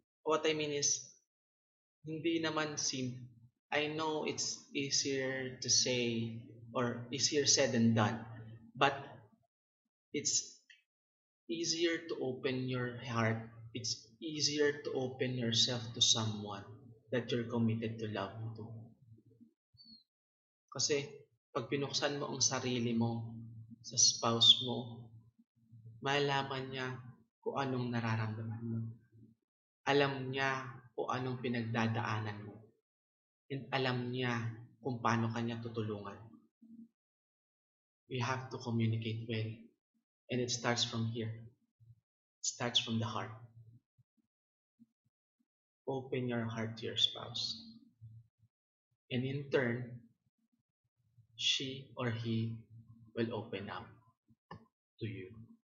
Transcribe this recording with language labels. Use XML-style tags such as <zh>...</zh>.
<en>What I mean is,</en> <tl>hindi naman simple.</tl> <en>I know it's easier to say or easier said than done. But it's easier to open your heart. It's easier to open yourself to someone that you're committed to love to.</en> <tl>Kasi pag binuksan mo ang sarili mo sa spouse mo, malaman niya kung anong nararamdaman mo. Alam niya kung anong pinagdadaanan mo. And alam niya kung paano kanya tutulungan.</tl> <en>We have to communicate well. And it starts from here. It starts from the heart. Open your heart to your spouse. And in turn, she or he will open up to you.</en>